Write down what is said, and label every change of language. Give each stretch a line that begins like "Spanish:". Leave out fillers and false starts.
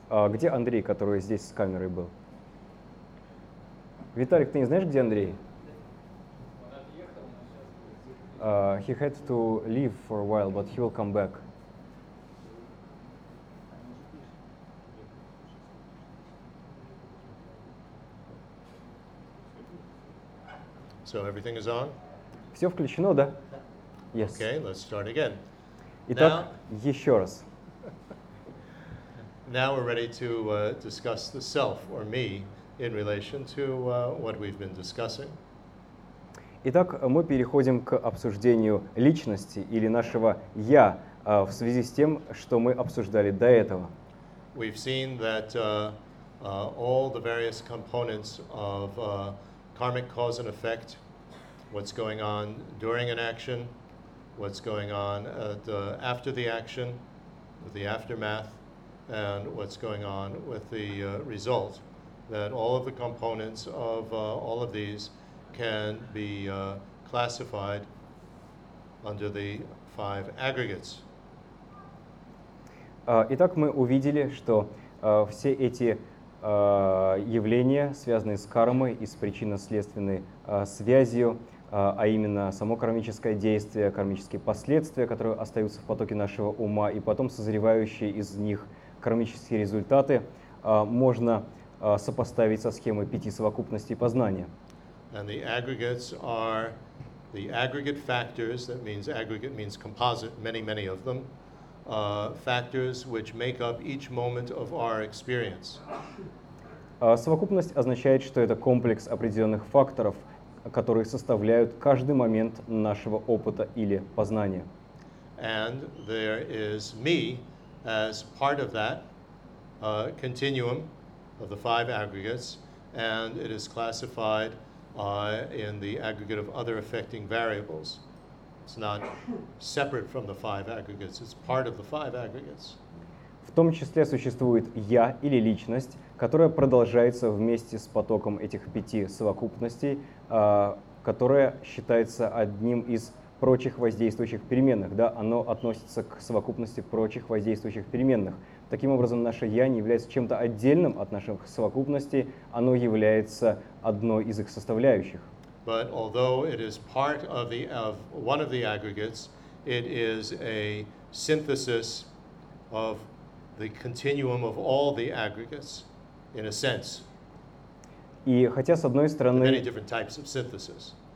Russian: Где Андрей, который здесь с камерой был? Виталик, ты не знаешь, где Андрей?
English: He had to leave for a while, but he will come back. So everything is on?
Russian: Все включено, да?
English: Yes. Okay, let's start again.
Russian: Итак,
English: now,
Russian: еще раз.
English: Now we're ready to discuss the self, or me, in relation to what we've been discussing.
Russian: Итак, мы переходим к обсуждению личности или нашего «я» в связи с тем, что мы обсуждали до этого.
English: We've seen that all the various components of karmic cause and effect, what's going on during an action, what's going on at, after the action, with the aftermath, and what's going on with the result, that all of the components of all of these can be classified under the five aggregates.
Russian: Итак, мы увидели, что все эти явления, связанные с кармой и с причинно-следственной связью, а именно само кармическое действие, кармические последствия, которые остаются в потоке нашего ума, и потом созревающие из них кармические результаты, можно сопоставить со схемой пяти совокупностей познания.
English: And the aggregates are the aggregate factors, that means aggregate means composite, many, many of them, factors which make up each moment of our experience.
Russian: Совокупность означает, что это комплекс определенных факторов, которые составляют каждый момент нашего опыта или познания.
English: And there is me as part of that continuum of the five aggregates, and it is classified in the aggregate of other affecting variables. It's not separate from the five aggregates, it's part of the five aggregates.
Russian: В том числе существует я или личность, которая продолжается вместе с потоком этих пяти совокупностей, которая считается одним из прочих воздействующих переменных. Да? Оно относится к совокупности прочих воздействующих переменных. Таким образом, наше я не является чем-то отдельным от наших совокупностей, оно является одной из их составляющих.
English: But although it is part of the of one of the aggregates, it is a synthesis of the continuum of all the aggregates, in a sense.
Russian: И хотя с одной стороны,
English: many different types of synthesis.